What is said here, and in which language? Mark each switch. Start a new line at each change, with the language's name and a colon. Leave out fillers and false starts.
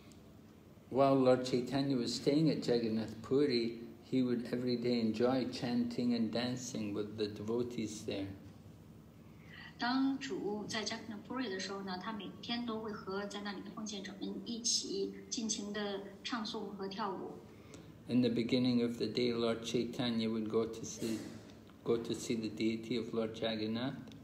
English: Lord Chaitanya was staying at Jagannath Puri, he would every day enjoy chanting and dancing with the devotees there.
Chinese: 当主在加克纳布瑞的时候呢，他每天都会和在那里的奉献者们一起尽情的唱诵和跳舞。
English: In the beginning of the day, Lord Chaitanya would go to see the deity of Lord Jagannath.